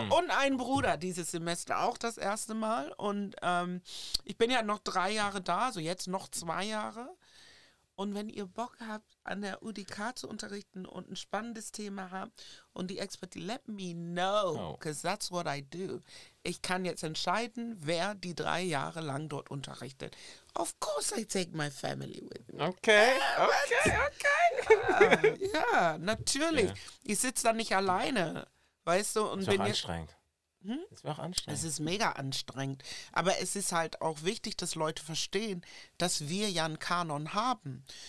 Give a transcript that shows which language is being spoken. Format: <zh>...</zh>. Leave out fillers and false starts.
<de>Und ein Bruder dieses Semester, auch das erste Mal. Und ich bin ja noch 3 Jahre da, so jetzt noch 2 Jahre. Und wenn ihr Bock habt, an der UdK zu unterrichten und ein spannendes Thema habt und die Expertise,</de> <en>let me know, because that's what I do.</en> <de>Ich kann jetzt entscheiden, wer die 3 Jahre lang dort unterrichtet.</de> <en>Of course I take my family with me. Okay.</en> <de>Ja, natürlich.</de> <en>Yeah.</en> <de>Ich sitze da nicht alleine, weißt du. Und ist bin auch anstrengend. Das wäre auch anstrengend. Es ist mega anstrengend. Aber es ist halt auch wichtig, dass Leute verstehen, dass wir ja einen Kanon haben. Mhm.</de>